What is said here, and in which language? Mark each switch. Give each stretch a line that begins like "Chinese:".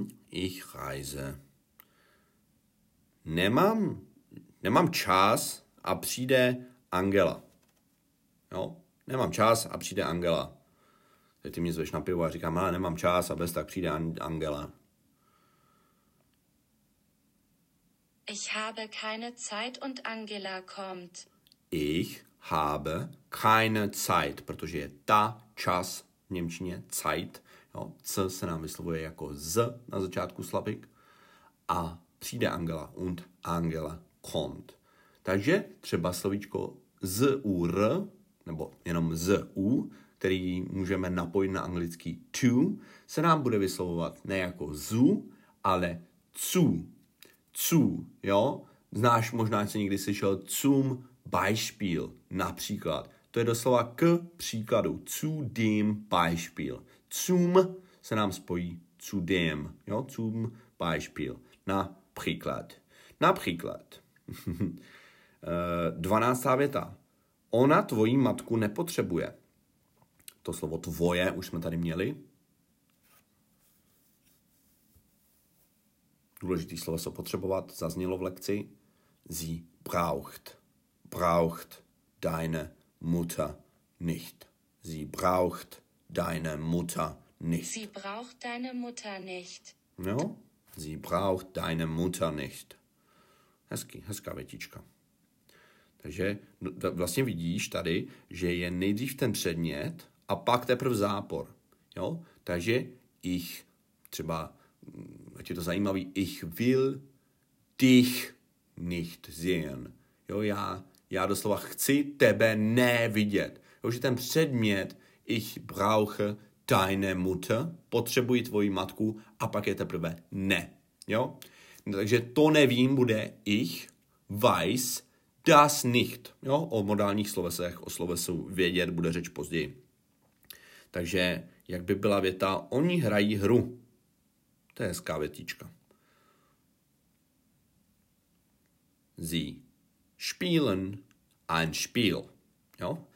German: Ich reise.
Czech: Nemám čas a přijde Angela. Jo? Nemám čas a přijde Angela. Teď ty mě zveš na pivo a říkám, ale nemám čas a bez tak přijde Angela.
German: Ich habe keine Zeit und Angela kommt. Ich habe keine Zeit,
Czech: protože je ta čas v němčině Zeit. Jo, C se nám vyslovuje jako Z na začátku slabik. A přijde Angela
German: und Angela kommt.
Czech: Takže třeba slovíčko z u r, nebo jenom z u, který můžeme napojit na anglický to, se nám bude vyslovovat ne jako zu, ale zu. Zu, jo? Znáš možná, že někdy slyšel zum Beispiel, například. To je doslova k příkladu.
German: Zu dem Beispiel.
Czech: Zum se nám spojí zu dem, jo? Zum Beispiel. Například. Například. 12. věta. Ona tvoji matku nepotřebuje. To slovo tvoje už jsme tady měli. Důležitý slovo se potřebovat zaznělo v lekci.
German: Sie braucht. Braucht deine Mutter nicht. Sie braucht deine Mutter nicht. Sie braucht deine Mutter nicht.
Czech: Jo?
German: Sie braucht deine Mutter nicht.
Czech: Hezký, hezká větička. Takže vlastně vidíš tady, že je nejdřív ten předmět a pak teprve zápor. Jo? Takže ich třeba, ať je to zajímavý,
German: ich will dich nicht sehen.
Czech: Jo, já doslova chci tebe nevidět. Jo, že ten předmět,
German: ich brauche deine Mutter,
Czech: potřebuji tvoji matku, a pak je teprve ne. Jo? No, takže to nevím bude
German: ich weiß das nicht.
Czech: Jo? O modálních slovesech, o slovesu vědět bude řeč později. Takže jak by byla věta, oni hrají hru. To je hezká větička.
German: Sie spielen ein Spiel. Jo?